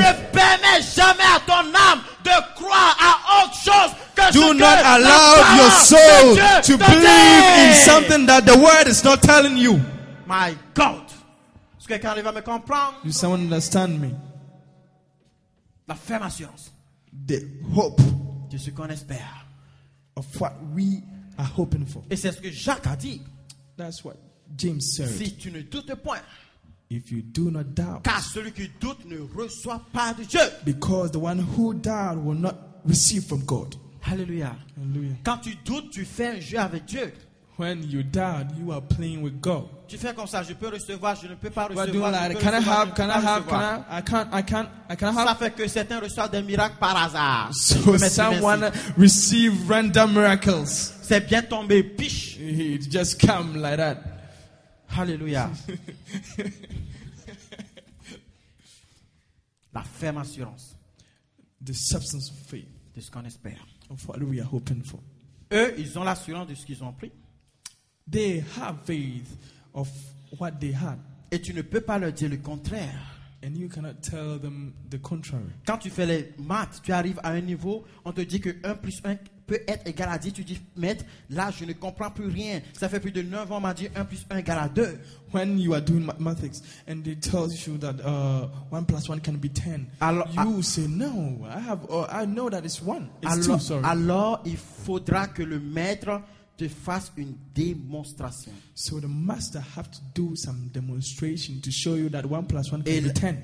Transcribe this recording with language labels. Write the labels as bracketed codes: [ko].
[fr] Ne permet jamais à ton âme de croire à autre chose. [en] Do not allow your soul to believe in something that the word is not telling you. My God. [fr] Est-ce que quelqu'un va me comprendre? [en] Do someone understand me? [fr] La ferme assurance. [en] The hope. [fr] De ce qu'on espère. [en] Of what we are hoping for. [fr] Et c'est ce que Jacques a dit. [en] That's what James said. [fr] Si tu ne doutes point. [en] If you do not doubt. [fr] Car celui qui doute ne reçoit pas de Dieu. [en] Because the one who doubts will not receive from God. Hallelujah. Hallelujah. [fr] Quand tu doutes, tu fais un jeu avec Dieu. [en] When you doubt, you are playing with God. [fr] Tu fais comme ça, je peux recevoir, je ne peux pas recevoir. [en] But doing like, can I have? [fr] Ça fait que certains reçoivent des miracles par hasard. [en] So someone receive random miracles. [fr] C'est bien tombé, piche. [en] It just come like that. Hallelujah. [fr] La ferme assurance. [en] The substance of faith. [fr] De ce qu'on espère. [en] Of what we are hoping for. [fr] Eux, ils ont l'assurance de ce qu'ils ont pris. [en] They have faith of what they had. [fr] Et tu ne peux pas leur dire le contraire. [en] And you cannot tell them the contrary. [fr] Quand tu fais les maths, tu arrives à un niveau, on te dit que 1 plus 1 peut être égal à 10. Tu dis, maître, là, je ne comprends plus rien. Ça fait plus de 9 ans, on m'a dit 1 plus 1 égal à 2. [en] When you are doing mathematics and they tell you that 1 plus 1 can be 10, [fr] alors, [en] you say, no, I know that it's 1. It's 2, sorry. [fr] Alors, il faudra que le maître te fasse une démonstration. [en] So the master have to do some demonstration to show you that 1 plus 1 can be 10.